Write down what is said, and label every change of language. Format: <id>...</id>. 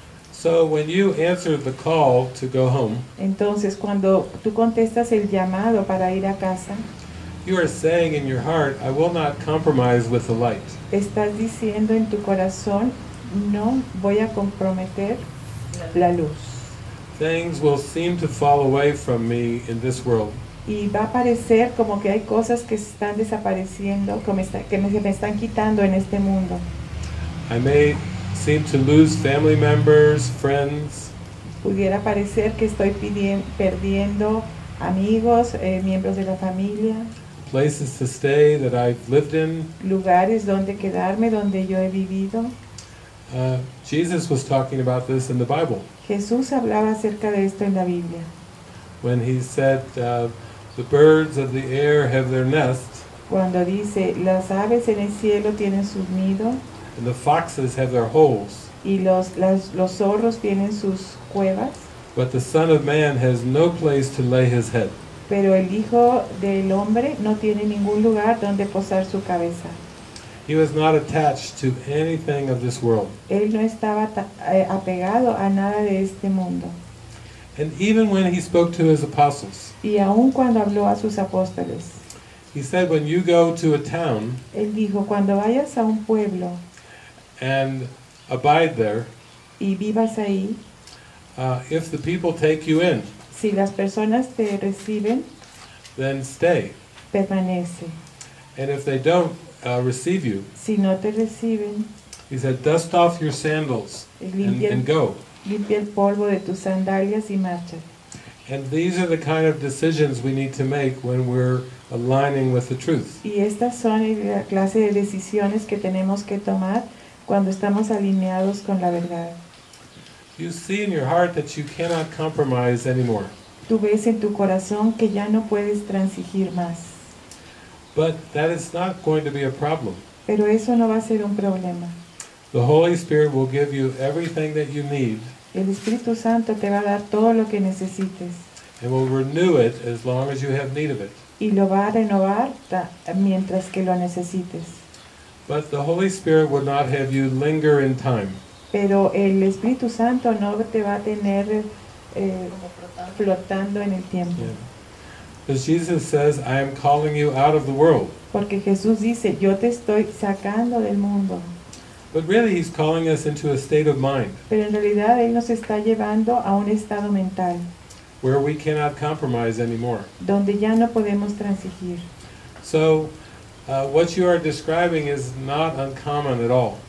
<en>So when you answer the call to go home,</en> <es>entonces cuando tú contestas el llamado para ir a casa,</es> <en>you are saying in your heart, I will not compromise with the light.</en> <es>Estás diciendo en tu corazón, no voy a comprometer la luz.</es> <en>Things will seem to fall away from me in this world.</en> <es>Y va a parecer como que hay cosas que están desapareciendo, que me están quitando en este mundo.</es> <en>I may seem to lose family members, friends.</en> <es>Pudiera parecer que estoy perdiendo amigos, miembros de la familia.</es> <en>Places to stay that I've lived in.</en> <es>Lugares donde quedarme, donde yo he vivido.</es> <en>Jesus was talking about this in the Bible.</en> <es>Jesús hablaba acerca de esto en la Biblia.</es> <en>When he said, the birds of the air have their nest.</en> <es>Cuando dice, las aves en el cielo tienen sus nidos.</es> <en>And the foxes have their holes.</en> <es>Y los zorros tienen sus cuevas.</es> <en>But the Son of Man has no place to lay his head.</en> <es>Pero el Hijo del Hombre no tiene ningún lugar donde posar su cabeza.</es> <en>He was not attached to anything of this world.</en> <es>Él no estaba apegado a nada de este mundo.</es> <en>And even when he spoke to his apostles,</en> <es>y aun cuando habló a sus apóstoles,</es> <en>he said, when you go to a town,</en> <es>él dijo, cuando vayas a un pueblo,</es> <en>and abide there,</en> <es>y vivas ahí,</es> <en>if the people take you in,</en> <es>si las personas te reciben,</es> <en>then stay,</en> <es>permanece,</es> <en>and if they don't, receive you,</en> <es>si no te reciben,</es> <en>he said, dust off your sandals and go.</en> <es>Limpia el polvo de tus sandalias y marcha.</es> <en>And these are the kind of decisions we need to make when we're aligning with the truth.</en> <es>Y estas son la clase de decisiones que tenemos que tomar cuando estamos alineados con la verdad.</es> <en>You see in your heart that you cannot compromise anymore.</en> <es>Tú ves en tu corazón que ya no puedes transigir más.</es> <en>But that is not going to be a problem.</en> <es>Pero eso no va a ser un problema.</es> <en>The Holy Spirit will give you everything that you need.</en> <es>El Espíritu Santo te va a dar todo lo que necesites.</es> <en>And will renew it as long as you have need of it.</en> <es>Y lo va a renovar mientras que lo necesites.</es> <en>But the Holy Spirit will not have you linger in time.</en> <es>Pero el Espíritu Santo no te va a tener flotando en el tiempo.</es> <en>Yeah. As Jesus says, I am calling you out of the world.</en> <es>Porque Jesús dice, yo te estoy sacando del mundo.</es> <en>But really, he's calling us into a state of mind.</en> <es>Pero en realidad, él nos está llevando a un estado mental.</es> <en>Where we cannot compromise anymore.</en> <es>Donde ya no podemos transigir.</es> <en>So, what you are describing is not uncommon at all.</en>